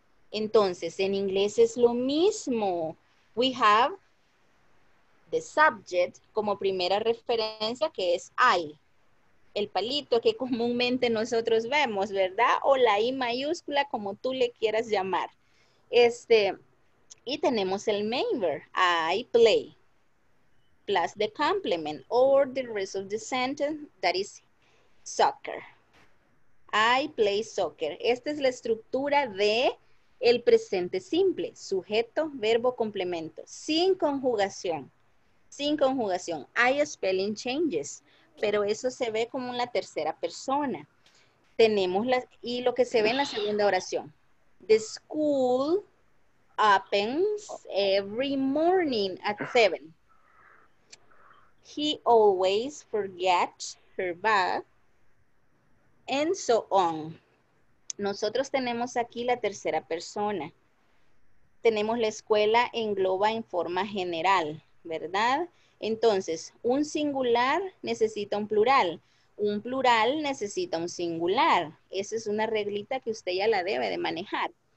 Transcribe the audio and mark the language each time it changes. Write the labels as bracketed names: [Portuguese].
[Spanish] Entonces, en inglés es lo mismo. [English] We have the subject [Spanish] como primera referencia, que es I. El palito que comúnmente nosotros vemos, ¿verdad? O la I mayúscula, como tú le quieras llamar. Y tenemos el main verb, [English] I play. Plus the complement or the rest of the sentence, that is soccer. I play soccer. [Spanish] Esta es la estructura de el presente simple. Sujeto, verbo, complemento. Sin conjugación. Sin conjugación. Hay [English] spelling changes. [Spanish] Pero eso se ve como en la tercera persona. Tenemos la... Y lo que se ve en la segunda oración. [English] The school happens every morning at 7. He always forgets her bag, and so on. [Spanish] Nosotros tenemos aquí la tercera persona. Tenemos la escuela engloba en forma general, ¿verdad? Entonces, un singular necesita un plural. Un plural necesita un singular. Esa es una reglita que usted ya la debe de manejar.